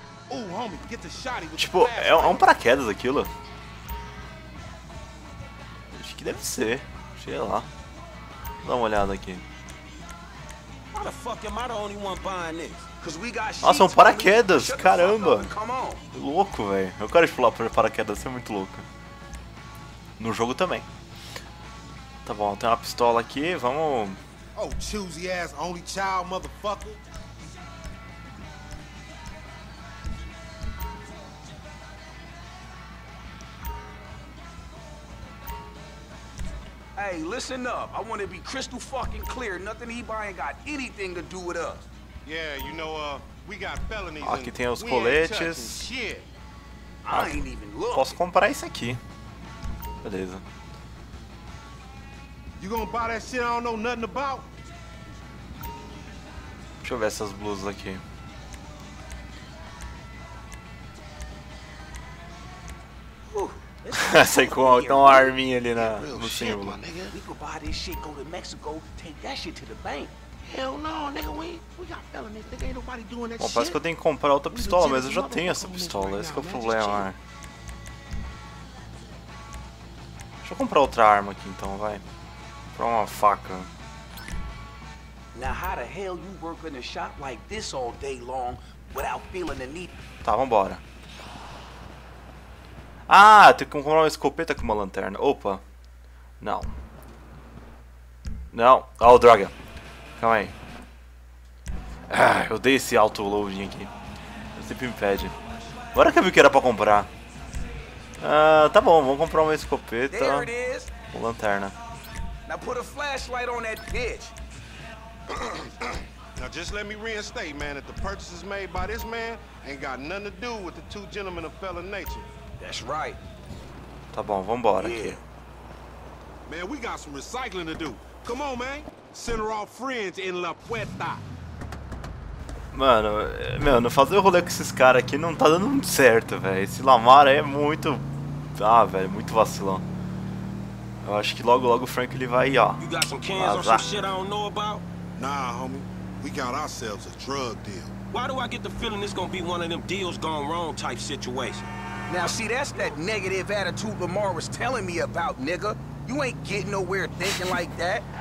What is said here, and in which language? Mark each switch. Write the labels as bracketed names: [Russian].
[English] Ooh, homie, get the shotty with [Portuguese] tipo, [English] the [Portuguese] é um paraquedas aquilo? Acho que deve ser. Sei lá. Vou dar uma olhada aqui. [English] Why the fuck am I the only one buying this? [Portuguese] Nossa, são paraquedas, caramba! Que louco, velho. Eu quero explorar por paraquedas, isso é muito louco. No jogo também. Tá bom, tem uma pistola aqui, vamos. [English] Oh, choosy ass only child, motherfucker. Hey, listen up. I want to be crystal fucking clear. Nothing he buying got anything to do with us. Yeah, you know, we got felonies. [Portuguese] Ah, aqui tem os coletes. [English] Ah, I ain't even look. [Portuguese] Posso comprar isso aqui. Beleza. [English] You gonna buy that shit I don't know nothing about? [Portuguese] Deixa eu ver essas blusas aqui. Essa aí com uma arminha ali na, no símbolo. [English] We could buy this shit, go to Mexico, take that shit to the bank. Hell no, nigga, we got felonies, nigga, ain't nobody doing that shit. [Portuguese] Bom, parece que eu tenho que comprar outra pistola, mas eu já tenho essa pistola, esse que é o problema. Deixa eu comprar outra arma aqui então, vai. Comprar uma faca. [English] Now how the hell you work in a shop like this all day long without feeling the need? [Portuguese] Tá, vambora. Ah, tem que comprar uma escopeta com uma lanterna. Opa. Não. Não. Oh, droga. Calma aí. Ah, eu dei esse auto-loading aqui. Ele sempre me pede. Agora que eu vi que era pra comprar. Ah, tá bom. Vamos comprar uma escopeta. Uma lanterna. [English] Now put a flashlight on that bitch. Now just let me reinstate, man, that the purchases made by this man ain't got nothing to do with the two gentlemen of fella nature. That's right. [Portuguese] Tá bom, vambora aqui. [English] Man, we got some recycling to do. Come on, man. Send our friends in La Puerta. [Portuguese] Mano, mano, fazer o rolê com esses caras aqui não tá dando muito certo, velho. Esse Lamar aí é muito. Ah, velho, muito vacilão. Eu acho que logo logo o Frank ele vai, ó. [English] You got some cans or some shit I don't know about? Nah, homie. We got ourselves a drug deal. Why do I get the feeling this gonna be one of them deals gone wrong type situation? Now see, that's that negative attitude Lamar was telling me about, nigga. You ain't getting nowhere thinking like that.